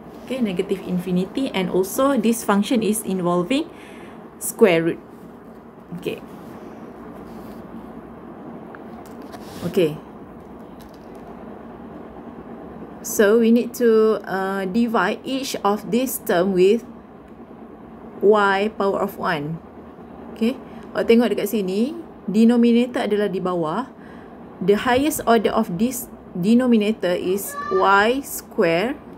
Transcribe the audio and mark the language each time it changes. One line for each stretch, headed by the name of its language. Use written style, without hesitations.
English: Okay, negative infinity, and also this function is involving square root. Okay. Okay. So we need to divide each of this term with y power of 1. Okay.
Malay: Oh, tengok dekat sini, denominator adalah di bawah.
English: The highest order of this denominator is y square.